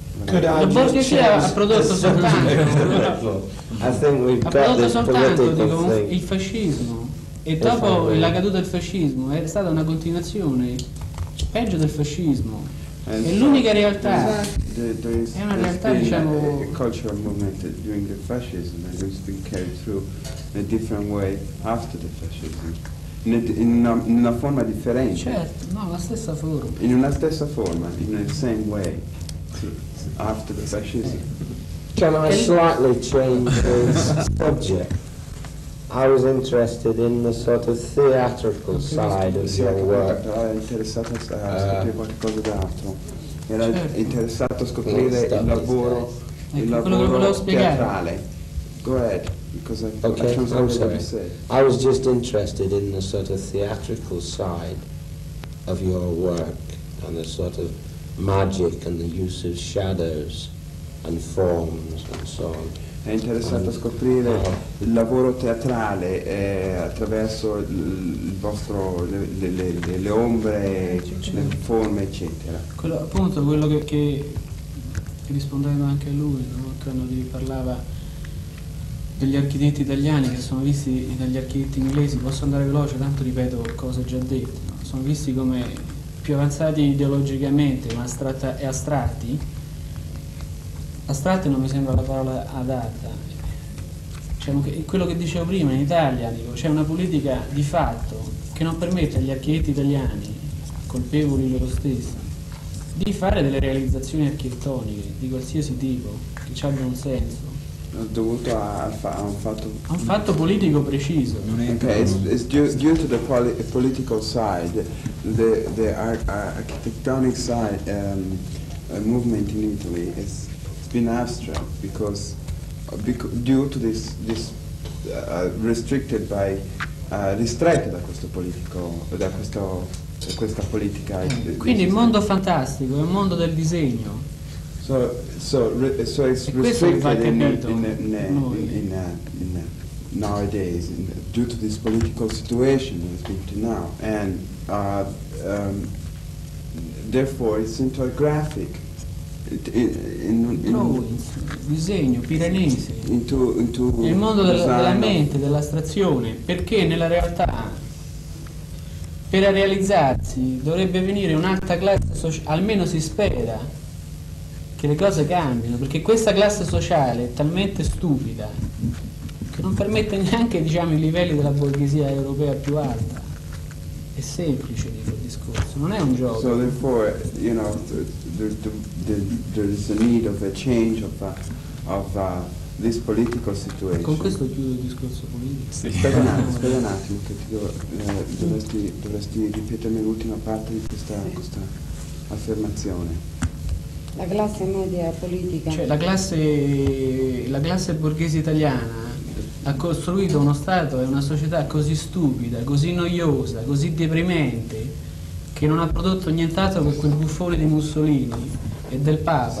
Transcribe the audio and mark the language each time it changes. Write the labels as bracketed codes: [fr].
[it] La borghesia ha prodotto soltanto il fascismo e dopo la caduta del fascismo è stata una continuazione peggio del fascismo e l'unica realtà è una realtà [en] cultural movement during the fascism and it's been carried through in a different way after the fascism. [it] In una forma differente. Certo, no, la stessa forma. In una stessa forma, [en] in the same way. After the fascism. Can I slightly change the subject? I was interested in the sort of theatrical side of your work. [it] Era interessato a scoprire qualcosa d'altro. Era interessato a scoprire il lavoro teatrale. [en] Go ahead. I was just interested in the sort of theatrical side of your work and the sort of magic and the use of shadows and forms and so on. [it] È interessante scoprire il lavoro teatrale attraverso il vostro le ombre, le forme, eccetera. Quello, appunto, quello che rispondendo anche a lui, no? Quando gli parlava degli architetti italiani che sono visti dagli architetti inglesi, posso andare veloce, tanto ripeto cose già dette, no? Sono visti come più avanzati ideologicamente, ma astratti non mi sembra la parola adatta, cioè, quello che dicevo prima, in Italia dico, c'è una politica di fatto che non permette agli architetti italiani, colpevoli loro stessi, di fare delle realizzazioni architettoniche di qualsiasi tipo, che ci abbiano un senso. Dovuto a un fatto politico preciso. [en] It's due to the political side, the architectonic side, a movement in Italy is it's been abstract because due to this restricted by [it] ristretto da questo politico da questo questa politica. Quindi il mondo fantastico è un mondo del disegno. [en] So it's restricted in nowadays in, due to this political situation that has been to now and therefore it's into a graphic [it] disegno piranese [en] into [it] il mondo della mente dell'astrazione, perché nella realtà per realizzarsi dovrebbe venire un'alta classe sociale, almeno si spera che le cose cambino, perché questa classe sociale è talmente stupida che non permette neanche, diciamo, i livelli della borghesia europea più alta. È semplice il discorso, non è un gioco. [en] So therefore, you know, there's a need of a change of this political situation. [it] Con questo chiudo il discorso politico. Sì. Aspetta un attimo, che ti dovresti ripetermi l'ultima parte di questa affermazione. La classe media politica. Cioè la classe borghese italiana ha costruito uno Stato e una società così stupida, così noiosa, così deprimente, che non ha prodotto nient'altro che quel buffone di Mussolini e del Papa.